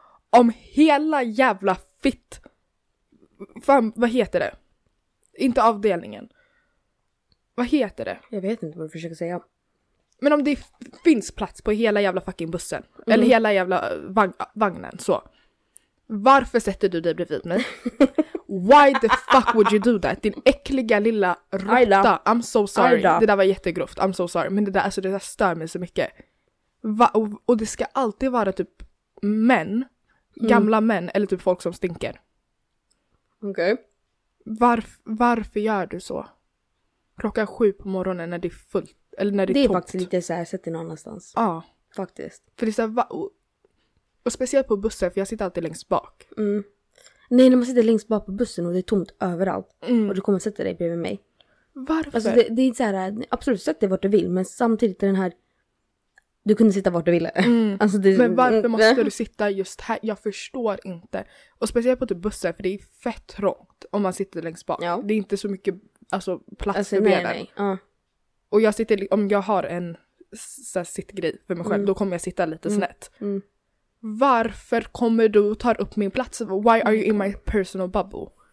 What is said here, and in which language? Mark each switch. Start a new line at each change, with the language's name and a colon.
Swedish: Om hela jävla fitt... Fan, vad heter det? Inte avdelningen. Vad heter det? Jag vet inte vad du försöker säga. Men om det finns plats på hela jävla fucking bussen. Mm. Eller hela jävla vagnen, så. Varför sätter du dig bredvid mig?
English: Why the fuck would you do that?
Swedish: Din äckliga lilla råtta.
English: I'm so sorry. Ida.
Swedish: Det där var jättegrovt.
English: I'm so sorry.
Swedish: Men det där stör mig så mycket. Och det ska alltid vara typ män. Gamla män. Eller typ folk som stinker. Okej. Okay. Varför gör du så? Klockan 7 på morgonen när det är fullt. Eller när det är tomt. Det är faktiskt lite så här. Sätter någon annanstans. Ja. Faktiskt. För det är så här, och speciellt på bussen. För jag sitter alltid längst bak. Mm. Nej, när man sitter längst bak på bussen och det är tomt överallt. Mm. Och du kommer sätta dig bredvid mig. Varför? Alltså det är så här, absolut, sätt dig vart du vill. Men samtidigt är den här, du kunde sitta vart du ville. Mm. Alltså det, men varför måste du sitta just här? Jag förstår inte. Och speciellt på typ bussen, för det är fett trångt om man sitter längst bak. Ja. Det är inte så mycket alltså, plats alltså, för benen. Nej. Och jag sitter, om jag har en så här, sittgrej för mig själv, då kommer jag sitta lite snett. Mm. Varför kommer du ta upp min plats?
English: Why are you in my personal bubble?